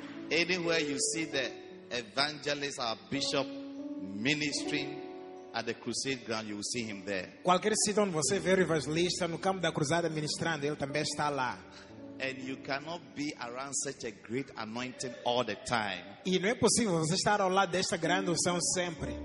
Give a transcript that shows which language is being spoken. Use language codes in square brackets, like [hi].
[en] Anywhere you see the evangelist or bishop ministering at the crusade ground, you will see him there. [pt] Qualquer sítio onde você vê o evangelista no campo da cruzada ministrando, ele também está lá. [en] And you cannot be around such a great anointing all the time. [pt] E não é possível você estar ao lado desta grande unção sempre.